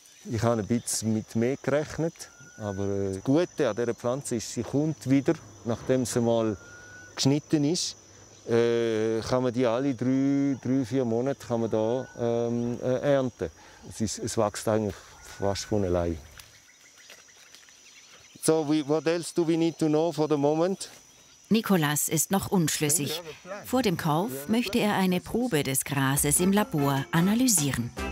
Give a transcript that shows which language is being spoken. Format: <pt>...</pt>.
<de>Ich habe ein bisschen mit mehr gerechnet, aber das Gute an dieser Pflanze ist, sie kommt wieder, nachdem sie mal geschnitten ist. Kann man die alle drei, vier Monate kann man da, ernten. Es wächst eigentlich fast von allein.</de> <en>So, what else do we need to know for the moment?</en> <de>Nicolas ist noch unschlüssig. Vor dem Kauf möchte er eine Probe des Grases im Labor analysieren.</de>